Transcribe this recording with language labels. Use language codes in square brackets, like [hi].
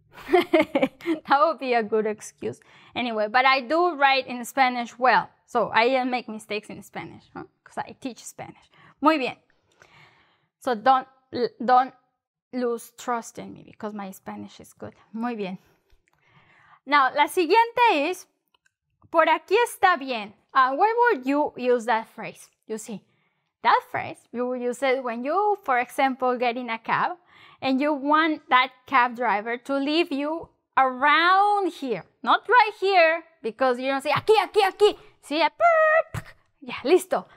[en] That would be a good excuse. Anyway, but I do write in Spanish well. So I make mistakes in Spanish, huh? Because I teach Spanish. [es] Muy bien. [en] So don't lose trust in me because my Spanish is good. [es] Muy bien. [en] Now, la siguiente es, por aquí está bien. Where would you use that phrase? You see, that phrase, you will use it when you, for example, get in a cab and you want that cab driver to leave you around here. Not right here, because you don't say, [es] aquí, aquí, aquí. [en] See, burp. Yeah, listo.